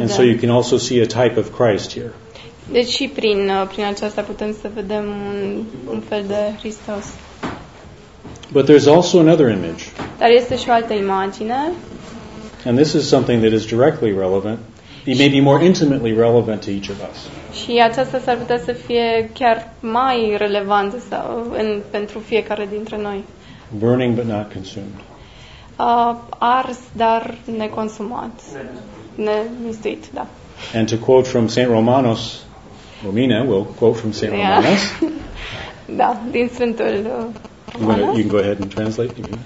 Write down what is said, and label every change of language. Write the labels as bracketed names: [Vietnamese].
[English] And so you can also see a type of Christ here. [Romanian] Deci și prin aceasta putem să vedem un fel de Hristos. [English] But there's also another image. [Romanian] Dar este și o altă imagine. [English] And this is something that is directly relevant. It may be more intimately relevant to each of us. [Romanian] Și aceasta s-ar putea să fie chiar mai relevant sau pentru fiecare dintre noi. [English] Burning but not consumed. [Romanian] Ars, dar neconsumat. Nemistuit, da. [English] And to quote from St. Romanos, Romina will quote from St. Romanos. [Romanian] Da, din Sfântul Romanos. [English] You can go ahead and translate. Romina.